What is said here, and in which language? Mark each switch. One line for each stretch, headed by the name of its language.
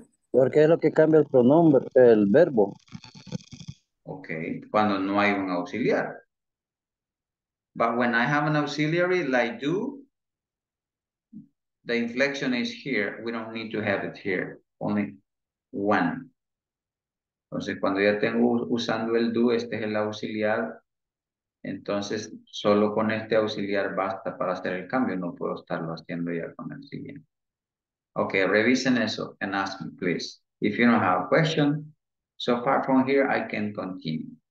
Spanish: Porque es lo que cambia el pronombre, el verbo. Ok, cuando no hay un auxiliar.
English: But when I have an auxiliary, like do, the inflection is here. We don't need to have it here. Only one.
Spanish: Entonces, cuando ya tengo usando el do, este es el auxiliar. Entonces, solo con este auxiliar basta para hacer el cambio. No puedo estarlo haciendo ya con el siguiente. Ok, revisen eso
English: and ask me, please. If you don't have a question, so far from here, I can continue.